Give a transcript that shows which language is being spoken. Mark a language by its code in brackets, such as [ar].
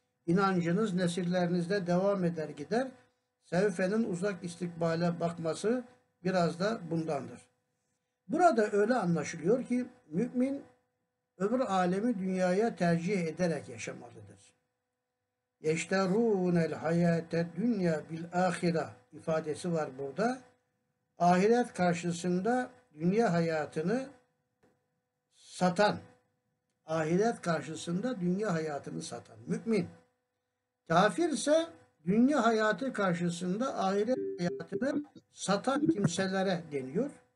[tr] İnancınız nesillerinizde devam eder gider. Sevfenin uzak istikbale bakması biraz da bundandır. Burada öyle anlaşılıyor ki mümin öbür alemi dünyaya tercih ederek yaşamalıdır. [ar] يَشْتَرُونَ الْحَيَاتَ الدُّنْيَا بِالْآخِرَةِ [tr] ifadesi var burada. Ahiret karşısında dünya hayatını satan, ahiret karşısında dünya hayatını satan mümin. Kafir ise dünya hayatı karşısında ahiret hayatını satan kimselere deniyor.